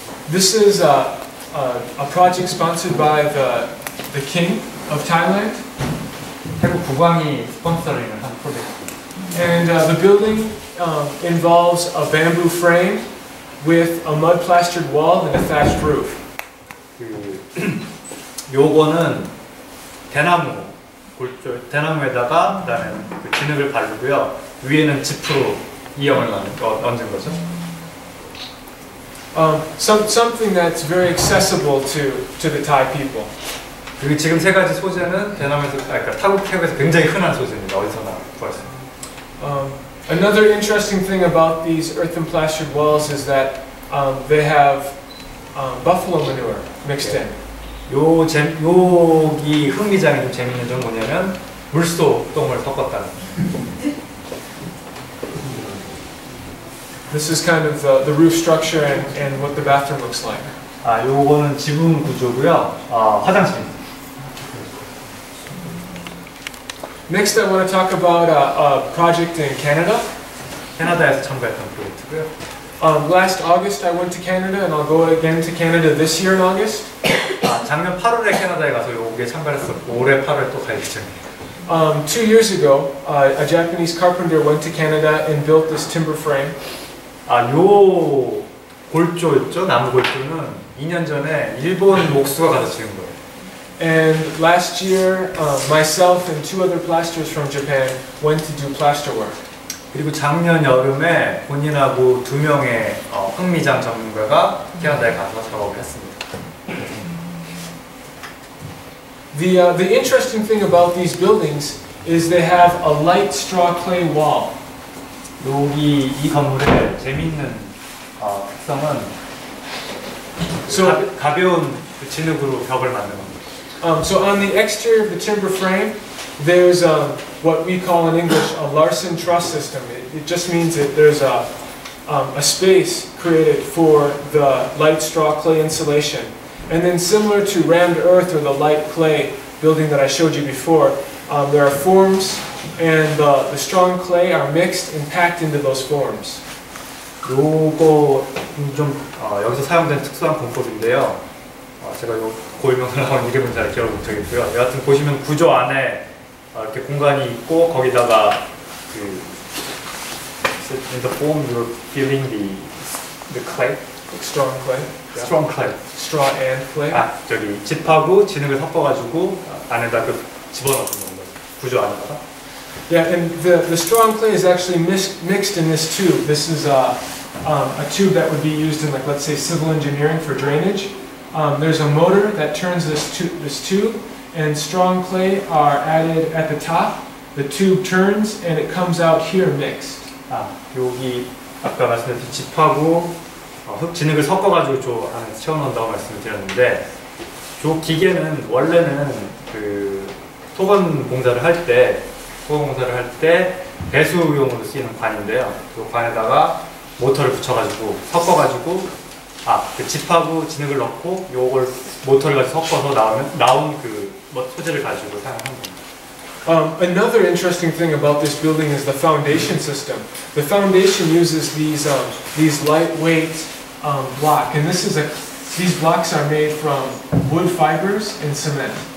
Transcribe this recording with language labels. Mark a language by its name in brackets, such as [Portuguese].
[English] This is a project sponsored by the king of Thailand. [Korean] 태국 국왕이 스폰서링을 한 프로젝트. [English] And the building involves a bamboo frame with a mud plastered wall and a thatched roof. [Korean] 요거는 대나무. 대나무에다가 그다음에 그 진흙을 바르고요. 위에는 지프로 얹은 거죠. [English] Something that's very accessible to the Thai people. [Korean] 그리고 지금 세 가지 소재는 베트남에서, 그러니까 타국 해외에서 굉장히 흔한 소재입니다. 어디서나 구할 수 있는. [English] Another interesting thing about these earthen plastered walls is that they have buffalo manure mixed in. [Korean] 여기 흥미장이 좀 재밌는 점 뭐냐면 물소 똥을 섞었다는. [English] This is kind of the roof structure and what the bathroom looks like. [Korean] 아, 요거는 지붕 구조고요. 아, 화장실. [English] Next, I want to talk about a project in Canada. [Korean] 캐나다에서 참가했던 프로젝트고요. [English] Last August, I went to Canada, and I'll go again to Canada this year in August. [Korean] 아, 작년 8월에 캐나다에 가서 요게 참가했었고 올해 8월 또 갈 예정이에요. [English] Two years ago, a Japanese carpenter went to Canada and built this timber frame. [Korean] 아, 요 골조였죠? 나무 골조는 2년 전에 일본 목수가 가서 지은 거예요. [English] And last year, myself and two other plasterers from Japan went to do plaster work. [Korean] 그리고 작년 여름에 본인하고 두 명의 흥미장 전문가가 캐나다에 가서 작업을 했습니다. [English] The interesting thing about these buildings is they have a light straw clay wall. [Korean] 여기 이 건물의 재밌는 특성은 가벼운 진흙으로 벽을 만든 겁니다. [English] So on the exterior of the timber frame, there's what we call in English a Larsen truss system. It just means that there's a space created for the light straw clay insulation. And then similar to rammed earth or the light clay building that I showed you before, there are forms and the strong clay are mixed and packed into those forms. [Korean] 요거 좀 여기서 사용된 특수한 공법인데요. 제가 요 고유명사를 한번 읽으면 잘 기억을 못하겠고요. 여하튼 보시면 구조 안에 이렇게 공간이 있고 거기다가 그 [English] in the form you're filling the clay, strong clay, yeah. strong clay, straw and clay. [Korean] 아 저기 집하고 진흙을 섞어가지고 안에다 그 집어넣는 건가요? 구조 안에다가? [English] Yeah, and the strong clay is actually mixed in this tube. This is a tube that would be used in like let's say civil engineering for drainage. There's a motor that turns this tube, and strong clay are added at the top. The tube turns, and it comes out here mixed. [Korean] 아, 여기 아까 말씀드린 집하고 진흙을 섞어가지고 저 안에 채워넣는다고 말씀을 드렸는데, 저 기계는 원래는 그 토건 공사를 할 때, 토건 공사를 할 때 배수용으로 쓰이는 관인데요. 그 관에다가 모터를 붙여가지고 섞어가지고 아, 그 집하고 진흙을 넣고 요걸 모터를 같이 섞어서 나온 그 소재를 가지고 사용합니다. Another interesting thing about this building is the foundation system. The foundation uses these lightweight block, and this is a these blocks are made from wood fibers and cement.